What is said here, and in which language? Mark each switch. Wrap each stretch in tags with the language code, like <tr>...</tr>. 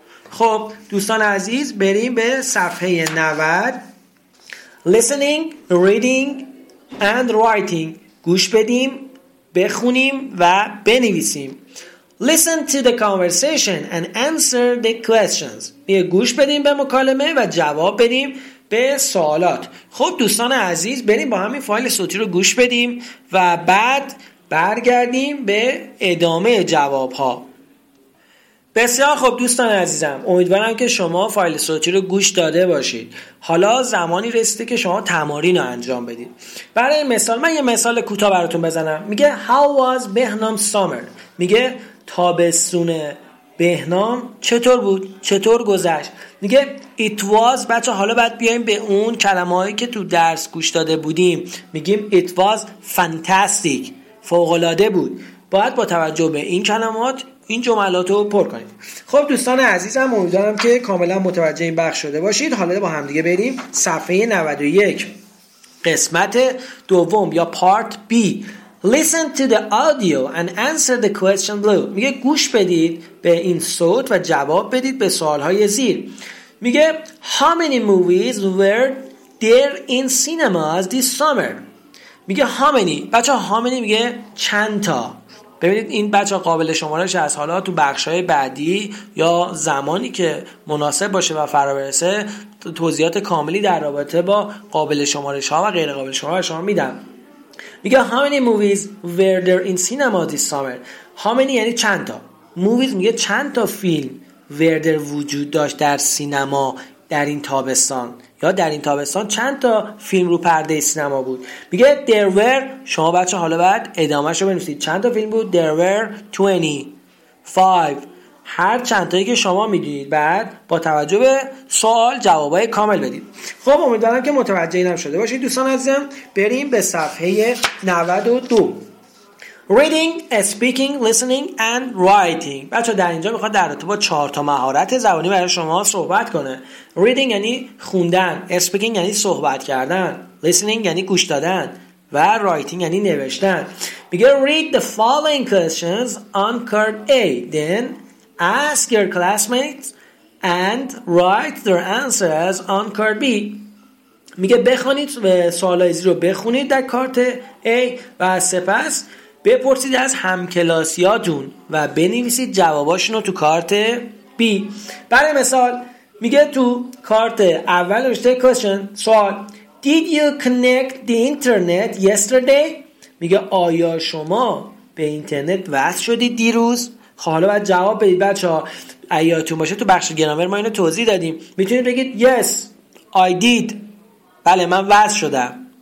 <fa>خب دوستان عزیز بریم به صفحه 90.</fa> <en>Listening, reading and writing.</en> <fa>گوش بدیم، بخونیم و بنویسیم.</fa> <en>Listen to the conversation and answer the questions.</en> <fa>یه گوش بدیم به مکالمه و جواب بدیم به سوالات. خب دوستان عزیز بریم با همین فایل صوتی رو گوش بدیم و بعد برگردیم به ادامه جواب ها. بسیار خب دوستان عزیزم، امیدوارم که شما فایل صوتی رو گوش داده باشید. حالا زمانی رسیده که شما تمارین رو انجام بدید. برای مثال من یه مثال کوتاه براتون بزنم. میگه</fa> <en>How was Behnam summer؟</en> <fa>میگه تابستون بهنام چطور بود؟ چطور گذشت؟ میگه</fa> <en>It was.</en> <fa>بچه حالا باید بیایم به اون کلمه هایی که تو درس گوش داده بودیم، میگیم</fa> <en>It was fantastic،</en> <fa>فوق‌العاده بود. باید با توجه به این کلمات این جملات رو پر کنید. خب دوستان عزیزم امیدوارم که کاملا متوجه این بخش شده باشید. حالا با هم دیگه بریم صفحه 91 قسمت دوم یا پارت بی.</fa> <en>Listen to the audio and answer the question below.</en> <fa>میگه گوش بدید به این صوت و جواب بدید به سوال‌های زیر. میگه</fa> <en>How many movies were there in cinemas this summer?</en> <fa>میگه</fa> <en>How many.</en> <fa>بچه ها How many میگه چند تا. ببینید این بچه ها قابل شمارش از حالا تو بخش‌های بعدی یا زمانی که مناسب باشه و فرا برسه توضیحات کاملی در رابطه با قابل شمارش ها و غیر قابل شمارش ها میدم.</fa> <en>میگه How many movies were there in cinema this summer.</en> <fa>How many یعنی چند تا. Movies میگه چند تا فیلم</fa> <en>were there</en> <fa>وجود داشت در سینما در این تابستان، یا در این تابستان چند تا فیلم رو پرده سینما بود. میگه</fa> <en>there were.</en> <fa>شما بچه حالا بعد ادامهش رو بنویسید. چند تا فیلم بود؟</fa> <en>there were 25.</en> <fa>هر چند تایی که شما میدونید بعد با توجه به سوال جوابای کامل بدید. خب امیدوارم که متوجه اینم شده باشید دوستان عزیزم. بریم به صفحه 92.</fa> <en>Reading, speaking, listening and writing.</en> <fa>بچه در اینجا میخواد در رابطه با 4 تا مهارت زبانی برای شما صحبت کنه. Reading یعنی خوندن، speaking یعنی صحبت کردن، listening یعنی گوش دادن و writing یعنی نوشتن. بگه</fa> <en>read the following questions on card A. Then ask your classmates and write their answers on card B.</en> <fa>میگه بخونید و سوالای زیر رو بخونید در کارت A و سپس بپرسید از همکلاسیاتون و بنویسید جواباشون رو تو کارت بی. برای مثال میگه تو کارت اول رشته question سوال</fa> <en>Did you connect the internet yesterday؟</en> <fa>میگه آیا شما به اینترنت وصل شدید دیروز؟ حالا باید جواب بدید بچه ها، ایاتون باشه تو بخش گرامر ما اینو توضیح دادیم، میتونید بگید</fa> <en>Yes I did،</en> <fa>بله من وصل شدم.</fa>